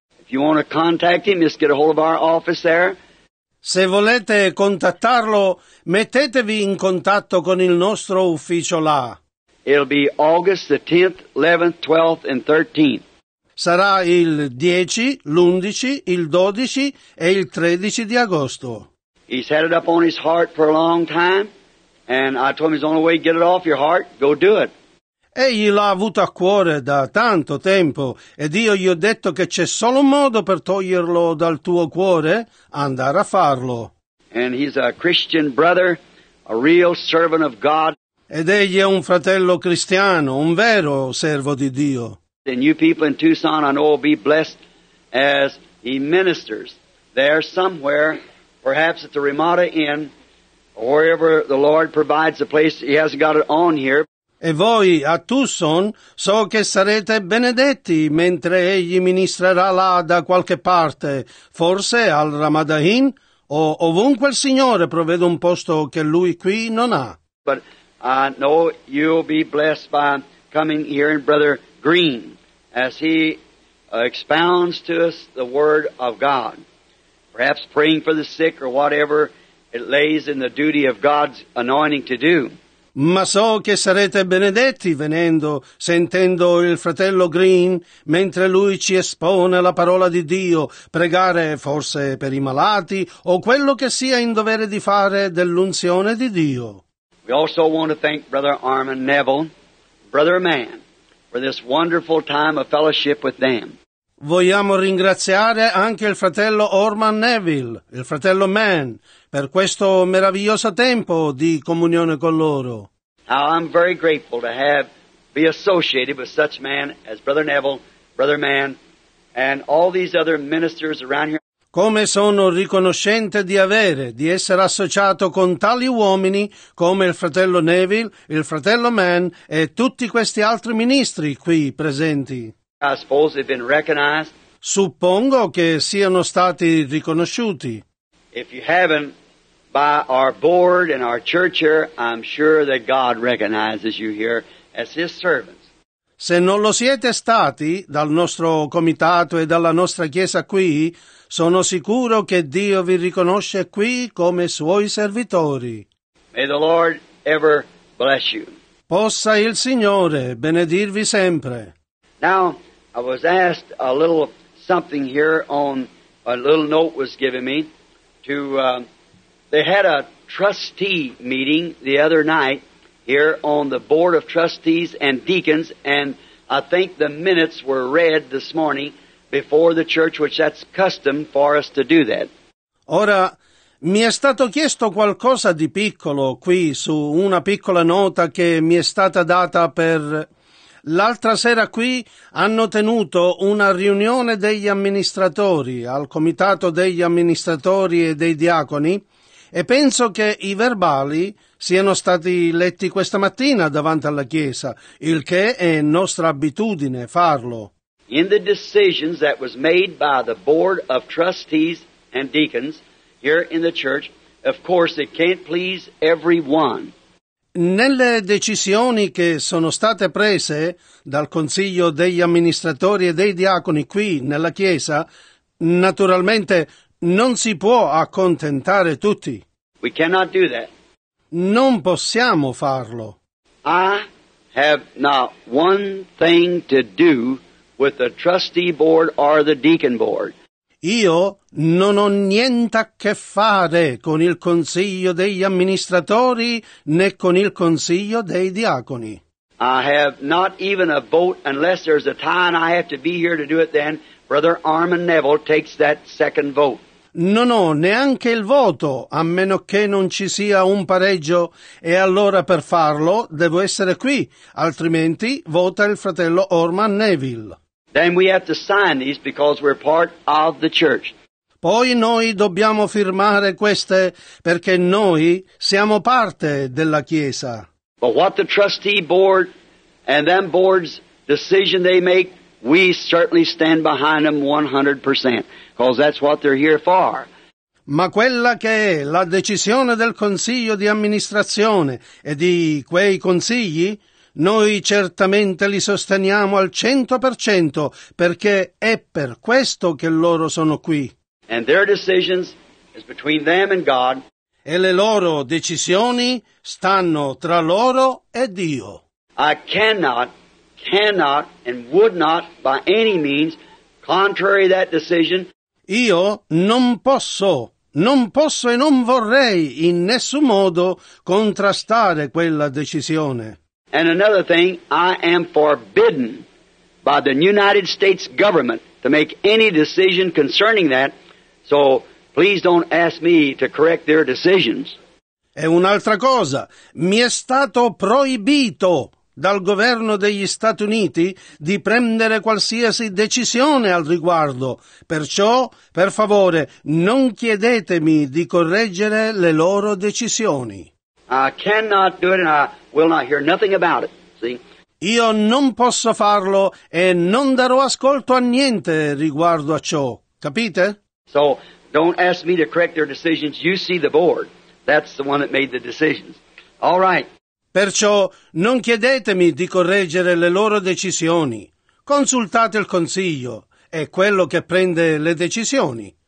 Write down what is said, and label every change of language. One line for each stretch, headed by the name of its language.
English: If you want to contact him, just get a hold of our office there.
Italian: Se volete contattarlo, mettetevi in contatto con il nostro ufficio là.
English: It'll be August the 10th, 11th, 12th and 13th.
Italian: Sarà il 10, l'11, il 12 e il 13 di agosto.
English: He's had it up on his heart for a long time. And I told him it's the only way to get it off your heart, go do it.
Italian: Egli l'ha avuto a cuore da tanto tempo, ed io gli ho detto che c'è solo un modo per toglierlo dal tuo cuore, andare a farlo.
English: And he's a Christian brother, a real servant of God.
Italian: Ed egli è un fratello cristiano, un vero servo di Dio.
English: And you people in Tucson, I know, will be blessed as he ministers there somewhere, perhaps at the Ramada Inn, wherever the Lord provides a place. He hasn't got it on here.
Italian: E voi a Tucson so che sarete benedetti mentre egli ministrerà là da qualche parte, forse al Ramada Inn o ovunque il Signore provvede un posto che lui qui non ha.
English: But I know you'll be blessed by coming here and Brother Green as he expounds to us the Word of God. Perhaps praying for the sick or whatever it lays in the duty of God's anointing to do.
Italian: Ma so che sarete benedetti venendo, sentendo il fratello Green, mentre lui ci espone la parola di Dio, pregare forse per i malati, o quello che sia in dovere di fare dell'unzione di Dio.
English: We also want to thank Brother Armin Neville, Brother Mann, for this wonderful time of fellowship with them.
Italian: Vogliamo ringraziare anche il fratello Orman Neville, il fratello Mann, per questo meraviglioso tempo di comunione con loro.
English: Now I'm very grateful to have be associated with such men as Brother Neville, Brother Mann, and all these other ministers around here.
Italian: Come sono riconoscente di essere associato con tali uomini come il fratello Neville, il fratello Mann e tutti questi altri ministri qui presenti.
English: I suppose they've been recognized.
Italian: Suppongo che siano stati riconosciuti.
English: If you haven't, by our board and our church here, I'm sure that God recognizes you here as His servant.
Italian: Se non lo siete stati, dal nostro comitato e dalla nostra chiesa qui, sono sicuro che Dio vi riconosce qui come Suoi servitori.
English: May the Lord ever bless you.
Italian: Possa il Signore benedirvi sempre.
English: Now, I was asked a little something here on, a little note was given me, to, they had a trustee meeting the other night, here on the board of trustees and deacons, and I think the minutes were read this morning before the church, which that's custom for us to do that.
Italian: Ora, mi è stato chiesto qualcosa di piccolo qui su una piccola nota che mi è stata data per... L'altra sera qui hanno tenuto una riunione degli amministratori al comitato degli amministratori e dei diaconi, e penso che i verbali siano stati letti questa mattina davanti alla Chiesa, il che è nostra abitudine farlo.
English: In the decisions that was made by the board of trustees and deacons here in the church, of course it can't please everyone.
Italian: Nelle decisioni che sono state prese dal consiglio degli amministratori e dei diaconi qui nella Chiesa, naturalmente non si può accontentare tutti.
English: We cannot do that.
Italian: Non possiamo farlo.
English: I have not one thing to do with the trustee board or the deacon board.
Italian: Io non ho niente a che fare con il consiglio degli amministratori né con il consiglio dei diaconi.
English: I have not even a vote unless there's a tie and I have to be here to do it then. Brother Armin Neville takes that second vote.
Italian: Non ho neanche il voto, a meno che non ci sia un pareggio, e allora per farlo devo essere qui, altrimenti vota il fratello Orman Neville.
English: Then we have to sign these because we're part of the church.
Italian: Poi noi dobbiamo firmare queste perché noi siamo parte della Chiesa.
English: But what the trustee board and them board's decision they make, we certainly stand behind them 100%. Because that's what they're here for.
Italian: Ma quella che è la decisione del consiglio di amministrazione e di quei consigli, noi certamente li sosteniamo al 100% perché è per questo che loro sono qui.
English: And their decisions is between them and God.
Italian: E le loro decisioni stanno tra loro e Dio.
English: I cannot, and would not by any means contrary that decision.
Italian: Io non posso e non vorrei in nessun modo contrastare quella decisione.
English: And another thing, I am forbidden by the United States government to make any decision concerning that, so please don't ask me to correct their decisions.
Italian: E un'altra cosa, mi è stato proibito dal governo degli Stati Uniti di prendere qualsiasi decisione al riguardo. Perciò, per favore, non chiedetemi di correggere le loro decisioni.
English: I cannot do it and I will not hear nothing about it. See?
Italian: Io non posso farlo e non darò ascolto a niente riguardo a ciò. Capite?
English: So, don't ask me to correct their decisions. You see the board. That's the one that made the decisions. All right.
Italian: Perciò non chiedetemi di correggere le loro decisioni. Consultate il consiglio, è quello che prende le decisioni.